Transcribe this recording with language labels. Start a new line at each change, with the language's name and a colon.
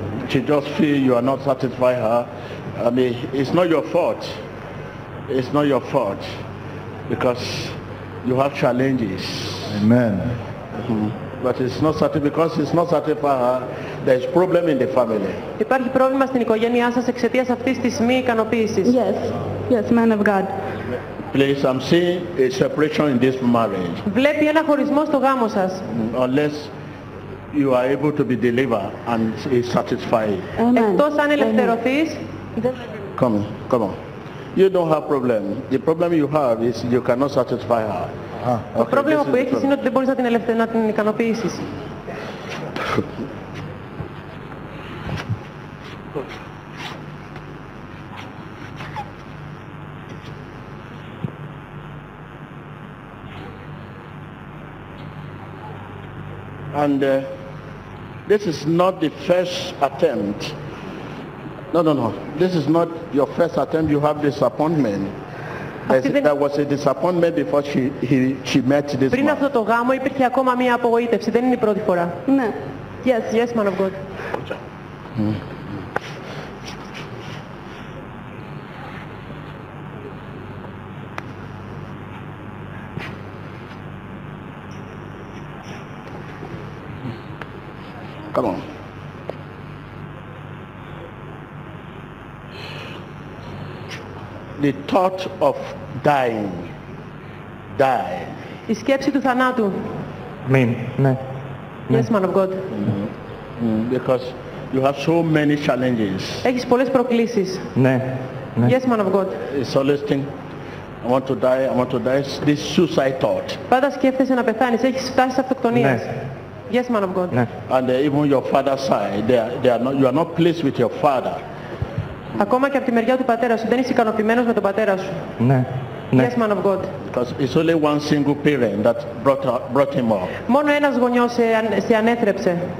English: She just feels you are not satisfying her. I mean, it's not your fault. It's not your fault. Because you have challenges. Amen. But it's not satisfying, because it's not satisfying her, there's problem in the family.
Greek: Υπάρχει πρόβλημα στην οικογένειά σας εξαιτίας αυτής της μη ικανοποίησης.
English: Yes. Yes, man of God. Please, I'm seeing a separation in this marriage.
Greek: Βλέπει ένα χωρισμό στο γάμο σας.
English: Unless you are able to be delivered and is satisfied. Amen.
Greek: Εκτός αν ελευθερωθείς.
English: Come, come on. You don't have problem. The problem you have is you cannot satisfy her. Ah.
Greek: Okay, το πρόβλημα που έχεις είναι ότι δεν μπορείς να την ικανοποιήσεις.
English: And this is not the first attempt. No. This is not your first attempt. You have disappointment. There was a disappointment before she met this
Greek: πριν
English: man.
Greek: Πριν αυτό το γάμο υπήρχε ακόμα μία απογοήτευση. Δεν είναι η πρώτη φορά. Ναι.
English: Yes, yes, man of God. Come on. The thought of dying.
Greek: Η σκέψη του θανάτου. Mean. Ναι.
English: Yes, man of God. Because you have so many challenges.
Greek: Έχεις πολλές προκλήσεις. Ναι.
English: Yes, man of God. It's always thing. I want to die. This suicide thought.
Greek: Πάντα σκέφτεσαι να πεθάνεις. Έχεις φτάσει σε αυτοκτονίες. Ναι.
English: Yes, man of God. And even your father's side, you are not pleased with your father.
Greek: Ακόμα και από τη μεριά του πατέρα σου, δεν είσαι ικανοποιημένος με τον πατέρα σου. Ναι.
English: Yes, man of God. Because it's only one single parent that brought him up.
Greek: Μόνο ένας γονιός σε ανέθρεψε.